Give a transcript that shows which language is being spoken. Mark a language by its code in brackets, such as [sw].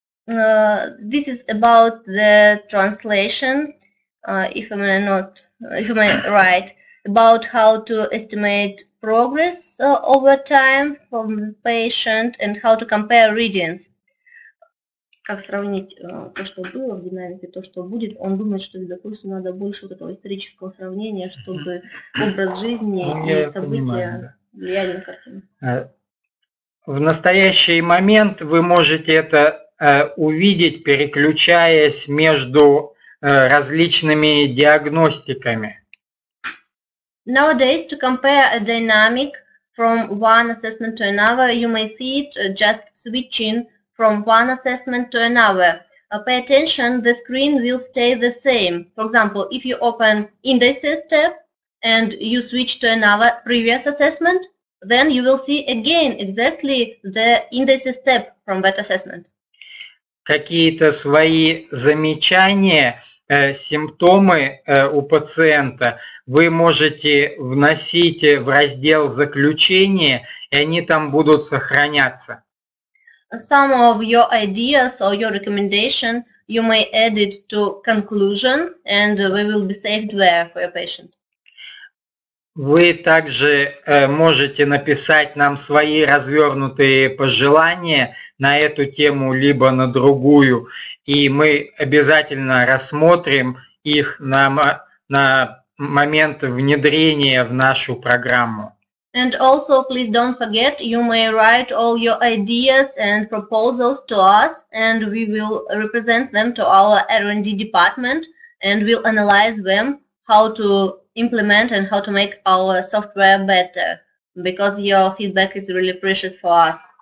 [en] This is about the translation, if I'm right, about how to estimate progress over time from the patient and how to compare readings. [ru] Как сравнить то, что было в динамике, то, что будет. Он думает, что, допустим, надо больше такого исторического сравнения, чтобы образ жизни и события влияли на картину. В настоящий момент вы можете это увидеть, переключаясь между различными диагностиками. [en] Nowadays, to compare a dynamic from one assessment to another, you may see it just switching from one assessment to another. Pay attention, the screen will stay the same. For example, if you open indices tab and you switch to another previous assessment, then you will see again exactly the indices tab from that assessment. [ru] Какие-то свои замечания, симптомы у пациента вы можете вносить в раздел заключения, и они там будут сохраняться. [en] Some of your ideas or your recommendation you may add it to conclusion, and we will be saved there for your patient. [ru] Вы также можете написать нам свои развернутые пожелания на эту тему, либо на другую, и мы обязательно рассмотрим их на момент внедрения в нашу программу. [en] And also, please don't forget, you may write all your ideas and proposals to us, and we will represent them to our R&D department, and we'll analyze them, how to implement and how to make our software better, because your feedback is really precious for us.